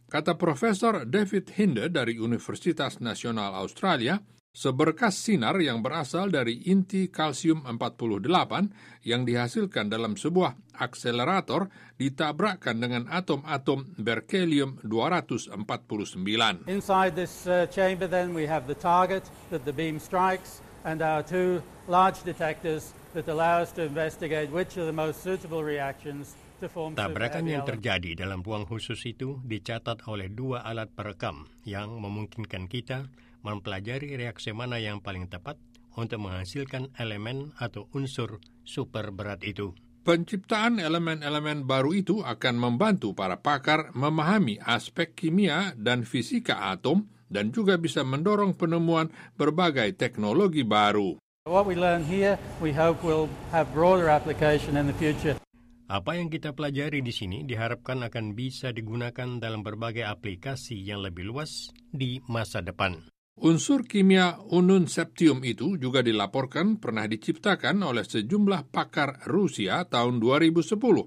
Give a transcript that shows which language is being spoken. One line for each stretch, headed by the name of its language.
Indonesian: Kata Profesor David Hinde dari Universitas Nasional Australia, seberkas sinar yang berasal dari inti kalsium 48 yang dihasilkan dalam sebuah akselerator ditabrakkan dengan atom-atom berkelium 249.
English: Inside this chamber then we have the target that the beam strikes and our two large detectors that allow us to investigate which are the most suitable reactions to form.
Indonesian: Tabrakan yang terjadi dalam ruang khusus itu dicatat oleh dua alat perekam yang memungkinkan kita mempelajari reaksi mana yang paling tepat untuk menghasilkan elemen atau unsur super berat itu. Penciptaan elemen-elemen baru itu akan membantu para pakar memahami aspek kimia dan fisika atom dan juga bisa mendorong penemuan berbagai teknologi baru.
English: What we learn here, we hope will have broader application in the future.
Indonesian: Apa yang kita pelajari di sini diharapkan akan bisa digunakan dalam berbagai aplikasi yang lebih luas di masa depan. Unsur kimia unun septium itu juga dilaporkan pernah diciptakan oleh sejumlah pakar Rusia tahun 2010.